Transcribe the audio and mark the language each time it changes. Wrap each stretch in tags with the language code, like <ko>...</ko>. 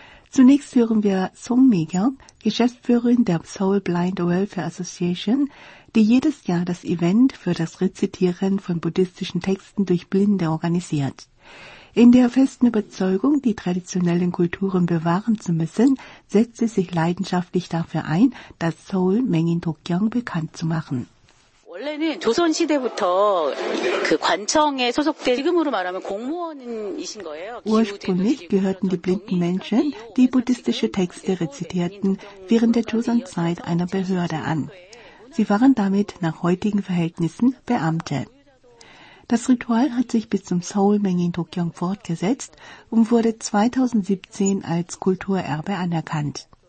<de>Zunächst hören wir Song Mi-kyung, Geschäftsführerin der Seoul Blind Welfare Association, die jedes Jahr das Event für das Rezitieren von buddhistischen Texten durch Blinde organisiert. In der festen Überzeugung, die traditionellen Kulturen bewahren zu müssen, setzt sie sich leidenschaftlich dafür ein, das Seoul Mengin Dokgyeong bekannt zu machen.</de> <ko>원래는 조선 시대부터 그 관청에 소속돼 지금으로 말하면 공무원이신 거예요.</ko> <de>Ursprünglich gehörten die blinden Menschen, die buddhistische Texte rezitierten, während der Joseon-Zeit einer Behörde an. Sie waren damit nach heutigen Verhältnissen Beamte. Das Ritual hat sich bis zum Seoul Mengin Dokgyeong fortgesetzt und wurde 2017 als Kulturerbe anerkannt.</de>